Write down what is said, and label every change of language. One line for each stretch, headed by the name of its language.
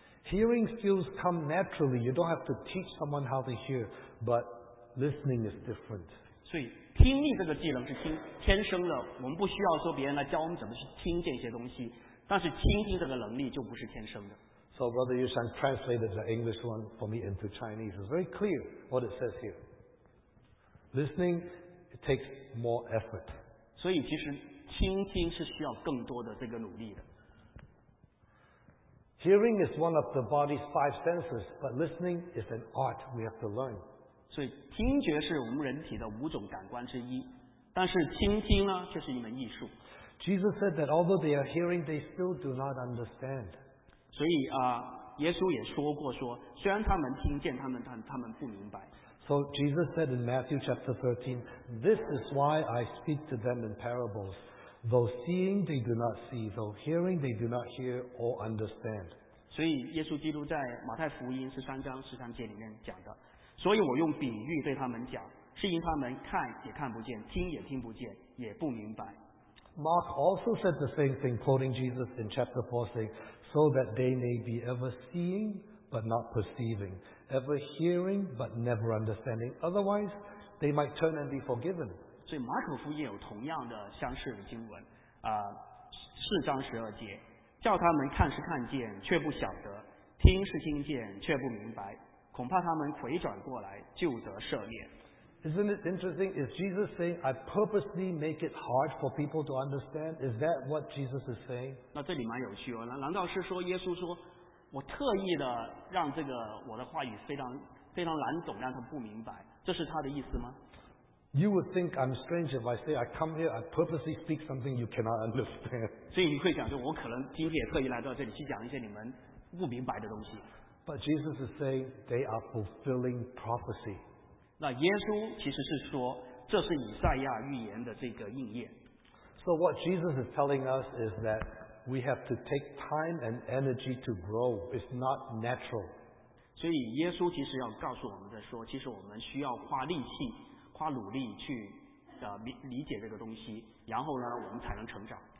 English: Hearing skills come naturally. You don't have to teach someone how to hear, but listening is different.
Chinese: 所以听力这个技能是天生的，我们不需要说别人来教我们怎么去听见一些东西，但是倾听这个能力就不是天生的。
English: So Brother Yushan translated the English one for me into Chinese. It's very clear what it says here. Listening, it takes more effort.
Chinese: 所以其实倾听是需要更多的这个努力的。
English: Hearing is one of the body's five senses, but listening is an art we have to learn.
Chinese: 所以听觉是我们人体的五种感官之一，但是倾听呢，却是一门艺术。
English: Jesus said that although they are hearing, they still do not understand.
Chinese: 所以耶稣也说过说，虽然他们听见，他们不明白。
English: So Jesus said in Matthew chapter 13, "This is why I speak to them in parables. Though seeing, they do not see; though hearing, they do not hear or understand."
Chinese: 所以耶稣基督在马太福音13章13节里面讲的，所以我用比喻对他们讲，是因他们看也看不见，听也听不见，也不明白。
English: Mark also said the same thing, quoting Jesus in chapter 4, saying. So that they may be ever seeing but not perceiving, ever hearing but never understanding. Otherwise, they might turn and be forgiven.
Chinese: 所以马可福音有同样的相似的经文，4章12节，叫他们看是看见，却不晓得；听是听见，却不明白。恐怕他们回转过来，就得赦免。
English: Isn't it interesting? Is Jesus saying, "I purposely make it hard for people to understand"? Is that what Jesus is saying?
Chinese: 那这里蛮有趣哦。难道是说耶稣说，我特意的让这个我的话语非常非常难懂，让他不明白，这是他的意思吗？
English: You would think I'm strange if I say I come here, I purposely speak something you cannot understand.
Chinese: 所以你会想说，我可能今天也特意来到这里去讲一些你们不明白的东西。
English: But Jesus is saying they are fulfilling prophecy.
Chinese: 那耶稣其实是说，这是以赛亚预言的这个应验。
English: So what Jesus is telling us is that we have to take time and energy to grow. It's not natural.
Chinese: 所以耶稣其实要告诉我们的说，其实我们需要花力气、花努力去理解这个东西，然后呢，我们才能成长。